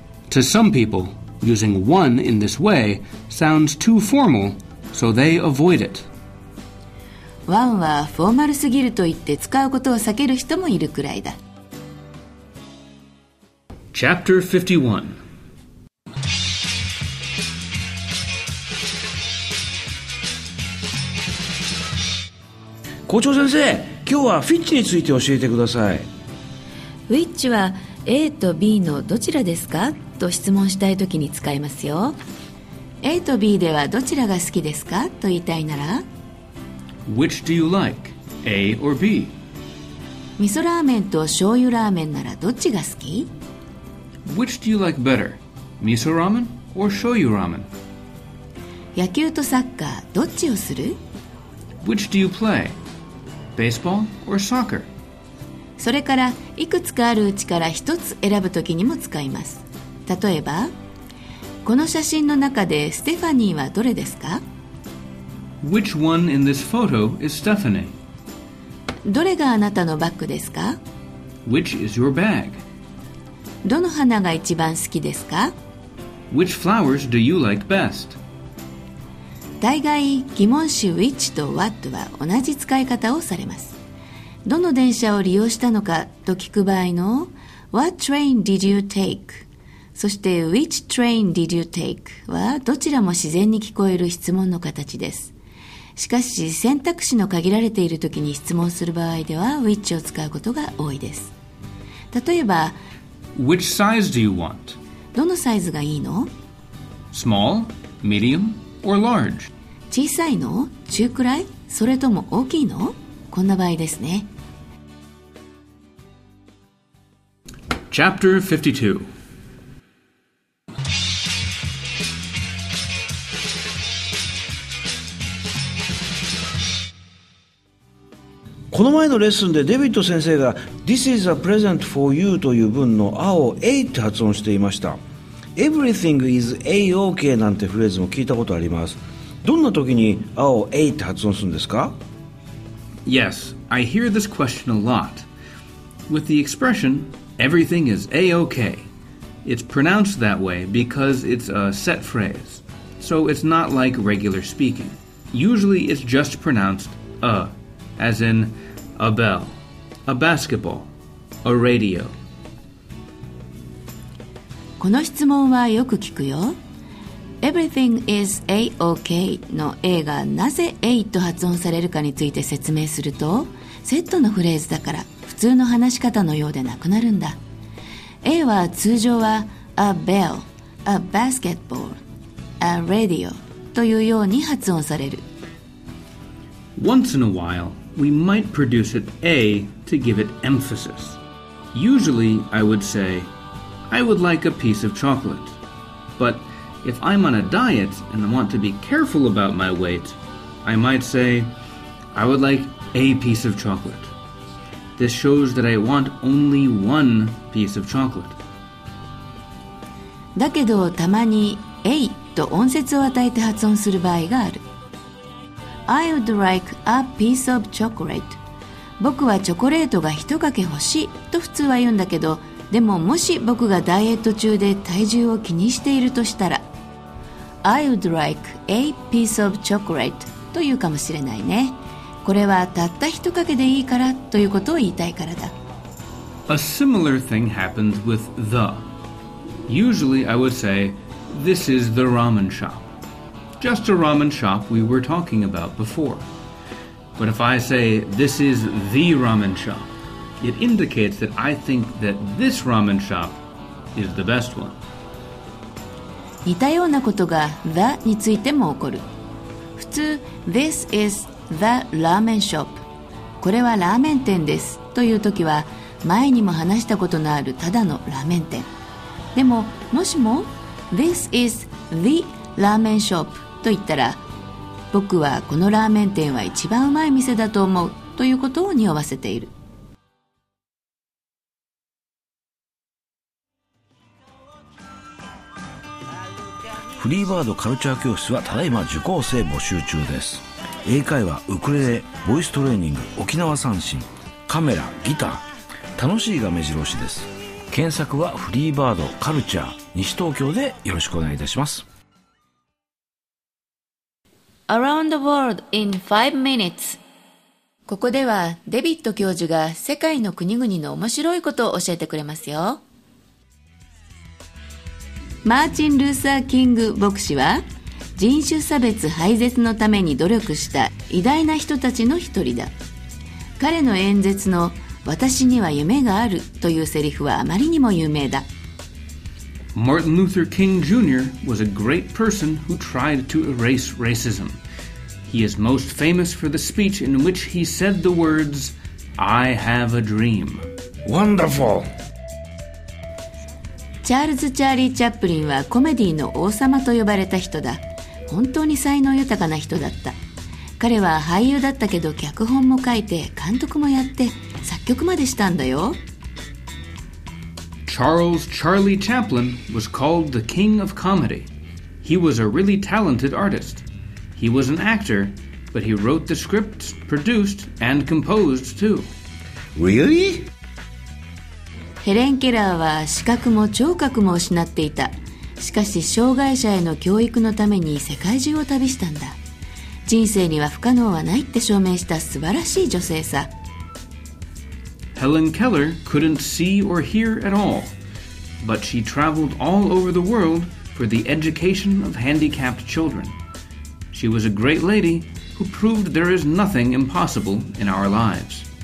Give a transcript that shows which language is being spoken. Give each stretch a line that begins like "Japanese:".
English: To some people, using one in this way sounds too formal, so they avoid it.
Japanese: ワンはフォーマルすぎると言って使うことを避ける人もいるくらいだ。
English: Chapter 51。
Japanese: 校長先生、今日はフィッチについて教えてください。ウィッチは A と B のどちらですかと質問したいときに使いますよ。 A と B ではどちらが好きですかと言いたいなら、
English: Which do you like, A or B?
Japanese: 味噌ラーメンと醤油ラーメンならどっちが好き?
English: Which do you like better, miso ramen or shoyu ramen?
Japanese: 野球とサッカー、どっちをする?
English: Which do you play, baseball or soccer?
Japanese: それから、いくつかあるうちから一つ選ぶときにも使います。例えば、この写真の中でステファニーはどれですか?
English: Which one in this photo is Stephanie?
Japanese: どれがあなたのバッグですか?
English: Which is your bag?
Japanese: どの花が一番好きですか?
English: Which flowers do you like best?
Japanese: 大概疑問詞 which と what は同じ使い方をされます。どの電車を利用したのかと聞く場合の
English: What train did you take?
Japanese: そして
English: Which train did you take?
Japanese: はどちらも自然に聞こえる質問の形です。しかし選択肢の限られているときに質問する場合では which を使うことが多いです。例えば
English: Which size do you want?
Japanese: どのサイズがいいの?
English: Small, medium, or large?
Japanese: 小さいの?中くらい?それとも大きいの?こんな場合ですね。
English: Chapter 52.
Japanese: この前のレッスンでデビッド先生が
English: This is a present for you
Japanese: という文の A を A って発音していました。
English: Everything is A-OK
Japanese: なんてフレーズも聞いたことあります。どんな時に A を A って発音するんですか?
English: Yes, I hear this question a lot. With the expression, everything is A-OK. It's pronounced that way because it's a set phrase. So it's not like regular speaking. Usually it's just pronounced A, as in a bell. A basketball, a radio.
Japanese: この質問はよく聞くよ。
English: Everything is A-OK
Japanese: の A がなぜ A と発音されるかについて説明すると、セットのフレーズだから普通の話し方のようでなくなるんだ。 A は通常は
English: A bell, A basketball, A radio
Japanese: というように発音される。
English: Once in a while,We might produce it A to give it emphasis. Usually, I would say, I would like a piece of chocolate. But if I'm on a diet and want to be careful about my weight, I might say, I would like a piece of chocolate. This shows that I want only one piece of chocolate.
Japanese: だけど、たまに A と音節を与えて発音する場合がある。
English: I would like a piece of chocolate.
Japanese: 僕はチョコレートが一かけ欲しいと普通は言うんだけど、でももし僕がダイエット中で体重を気にしているとしたら、
English: I would like a piece of chocolate
Japanese: と言うかもしれないね。これはたった一かけでいいからということを言いたいからだ。
English: A similar thing happens with the. Usually I would say, this is the ramen shop. Just a ramen shop we were talking about before. But if I say, this is the ramen shop, it indicates that I think that this ramen shop is the best one.
Japanese: 似たようなことが the についても起こる。普通、
English: this is the ramen shop.
Japanese: これはラーメン店です。というときは、前にも話したことのあるただのラーメン店。でも、もしも、
English: this is the ramen shop.
Japanese: と言ったら僕はこのラーメン店は一番うまい店だと思うということを匂わせているフリーバードカルチャー教室はただいま受講生募集中です。英会話、ウクレレ、ボイストレーニング、沖縄三線、カメラ、ギター、楽しいが目白押しです。検索はフリーバードカルチャー西東京でよろしくお願いいたします。
English: Around the world in 5 minutes.
Japanese: ここではデビッド教授が世界の国々の面白いことを教えてくれますよ。マーチン・ルーサー・キング牧師は人種差別廃絶のために努力した偉大な人たちの一人だ。彼の演説の私には夢があるというセリフはあまりにも有名だ。
English: Martin Luther King Jr. was a great person who tried to erase racism. He is most famous for the speech in which he said the words, I have a dream. Wonderful!
Japanese: チャールズ・チャーリー・チャップリンはコメディの王様と呼ばれた人だ。本当に才能豊かな人だった。彼は俳優だったけど脚本も書いて監督もやって作曲までしたんだよ。
English: Charles Charlie Chaplin was called the King of Comedy. He was a really talented artist. He was an actor, but he wrote the scripts, produced, and composed too. Really?
Japanese: ヘレン・ケラーは視覚も聴覚も失っていた。しかし障害者への教育のために世界中を旅したんだ。人生には不可能はないって証明した素晴らしい女性さ。
English: Helen Keller couldn't see or hear at all, but she traveled all over the world for the education of handicapped children. She was a great lady who proved there is nothing impossible in our lives.